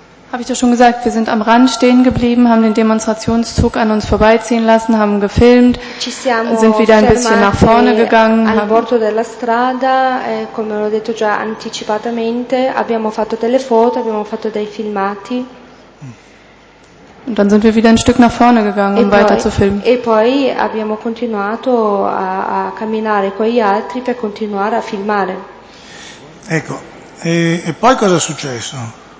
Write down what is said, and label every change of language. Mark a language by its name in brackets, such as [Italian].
[German] Habe ich doch schon gesagt, wir sind am Rand stehen geblieben, haben den Demonstrationszug an uns vorbeiziehen lassen, haben gefilmt, sind wieder ein bisschen nach vorne gegangen. [Italian] Al bordo della strada, come ho detto già anticipatamente, abbiamo fatto delle foto, abbiamo fatto dei filmati. [German] Und dann sind wir wieder ein Stück nach vorne gegangen, um weiter zu filmen. [Italian] E poi abbiamo continuato a camminare con gli altri per continuare a filmare. Ecco, e poi cosa è successo?